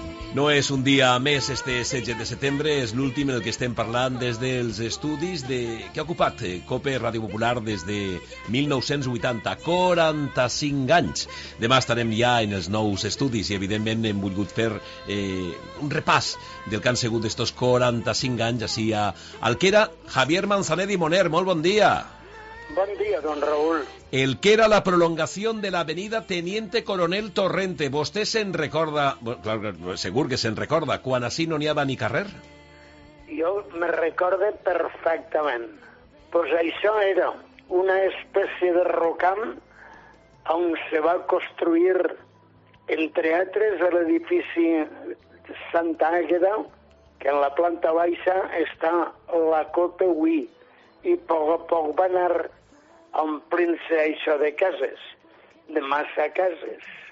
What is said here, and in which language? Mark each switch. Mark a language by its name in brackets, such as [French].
[Catalan] No és un dia més este 16 de setembre, és l'últim en el que estem parlant des dels estudis de que ha ocupat COPE Ràdio Popular des de 1980, 45 anys. Demà estarem ja en els nous estudis i evidentment hem volgut fer un repàs del que han sigut estos 45 anys així a el que era Javier Manzanedi Moner. Molt bon dia. Bon dia, don Raúl. El que era [Spanish] la prolongación de la avenida Teniente Coronel Torrente. [Catalan] ¿Vostè se'n recorda, claro, segur que se'n recorda, quan així no n'hi havia ni carrer? Jo me recorde perfectament. Pues això era una espècie de rocam on se va construir entre altres l'edifici Santa Àgueda, que en la planta baixa està la Copa Uí, i a poc a poc va anar omplint-se això de cases, de massa cases.